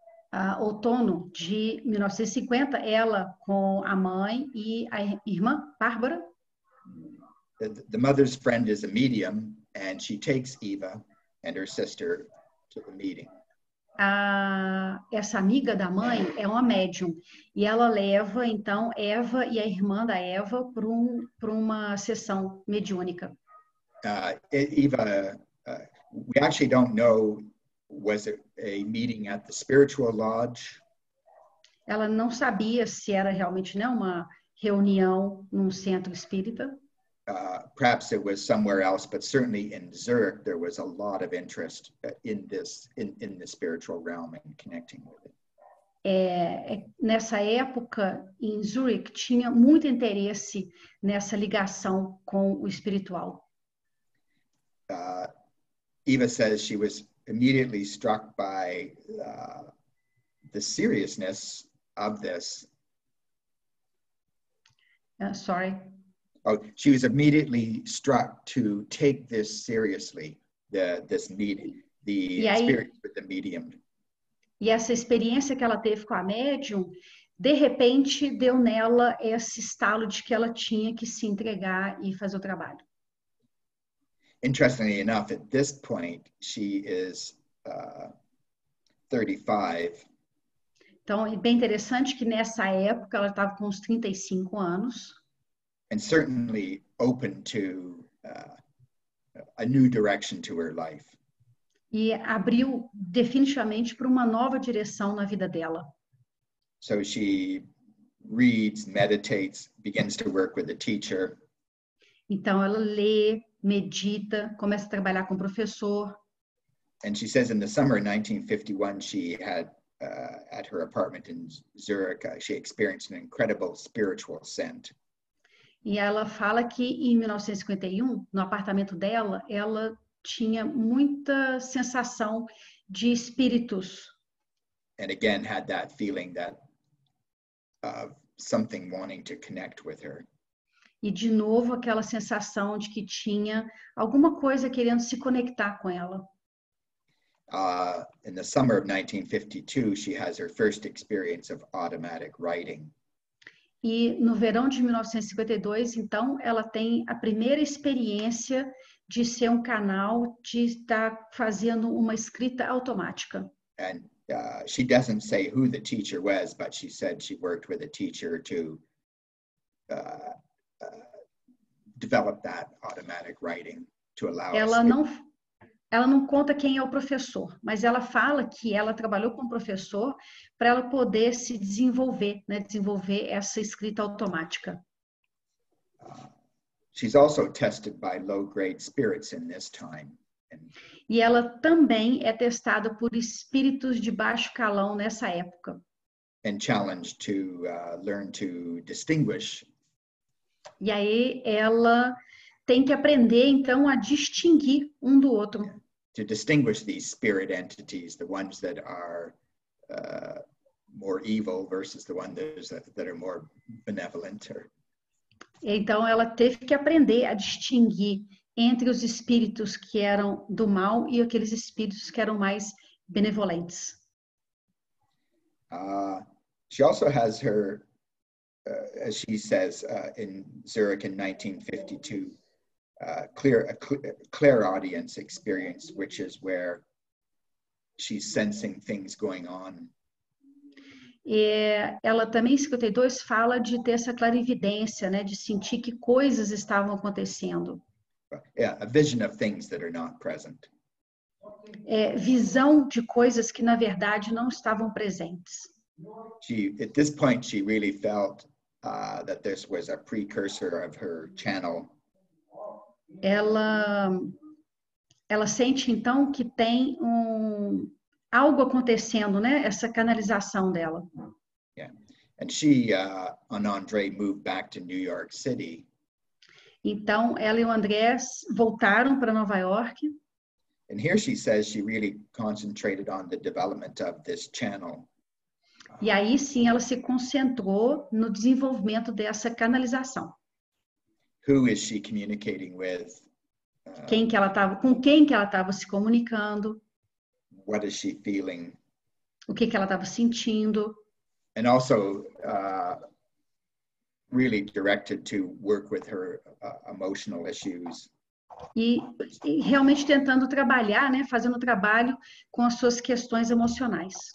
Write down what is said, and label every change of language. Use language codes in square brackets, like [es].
[pt] Outono de 1950, ela com a mãe e a irmã, Bárbara. [en] The mother's friend is a medium, and she takes Eva and her sister to the meeting. [pt] Essa amiga da mãe é uma médium, e ela leva, então, Eva e a irmã da Eva para uma sessão mediúnica. [en] Eva, we actually don't know. Was it a meeting at the spiritual lodge? [pt] Ela não sabia se era realmente, né, uma reunião num centro espírita. [en] Perhaps it was somewhere else, but certainly in Zurich, there was a lot of interest in the spiritual realm and connecting with it. [pt] Nessa época, em Zurich, tinha muito interesse nessa ligação com o espiritual. [en] Eva says she was immediately struck by the seriousness of this. Sorry. Oh, she was immediately struck to take this seriously, experience with the medium. [pt] E essa experiência que ela teve com a médium, de repente, deu nela esse estalo de que ela tinha que se entregar e fazer o trabalho. [en] Interestingly enough, at this point, she is 35. [pt] Então, é bem interessante que nessa época ela estava com uns 35 anos. [en] And certainly open to a new direction to her life. [pt] E abriu definitivamente para uma nova direção na vida dela. [en] So she reads, meditates, begins to work with the teacher. [pt] Então ela lê, medita, começa a trabalhar com o professor. [en] And she says in the summer of 1951, she had at her apartment in Zurich, she experienced an incredible spiritual scent. [pt] E ela fala que em 1951, no apartamento dela, ela tinha muita sensação de espíritos. [en] And again had that feeling that something wanting to connect with her. [pt] E de novo aquela sensação de que tinha alguma coisa querendo se conectar com ela. [en] In the summer of 1952, she has her first experience of automatic writing. [pt] E no verão de 1952, então, ela tem a primeira experiência de ser um canal, de estar fazendo uma escrita automática. [en] And she doesn't say who the teacher was, but she said she worked with a teacher to develop that automatic writing to allow [pt] Ela não conta quem é o professor, mas ela fala que ela trabalhou com o professor para ela poder se desenvolver, né? Desenvolver essa escrita automática. [en] She's also tested by low-grade spirits in this time. [pt] E ela também é testada por espíritos de baixo calão nessa época. [en] And challenged to learn to distinguish. [pt] E aí ela tem que aprender, então, a distinguir um do outro. [en] To distinguish these spirit entities, the ones that are more evil versus the ones that are more benevolent. [pt] Então, ela teve que aprender a distinguir entre os espíritos que eram do mal e aqueles espíritos que eram mais benevolentes. [en] She also has her, as she says, in Zurich in 1952, clairaudience experience, which is where she's sensing things going on. [pt] Ela também, em 52, fala de ter essa clarividência, né? De sentir que coisas estavam acontecendo. [en] Yeah, a vision of things that are not present. [pt] Visão de coisas que, na verdade, não estavam presentes. [en] At this point, she really felt that this was a precursor of her channel. [pt] Ela sente, então, que tem algo acontecendo, né? Essa canalização dela. [en] Yeah. And she and André moved back to New York City. [pt] Então, ela e o André voltaram para Nova York. [en] And here she says she really concentrated on the development of this channel. [pt] E aí, sim, ela se concentrou no desenvolvimento dessa canalização. [en] Who is she communicating with? [pt] Quem que ela tava, com quem que ela estava se comunicando? [en] What is she feeling? [pt] O que ela estava sentindo? [en] And also really directed to work with her emotional issues. [pt] E realmente tentando trabalhar, né, fazendo trabalho com as suas questões emocionais.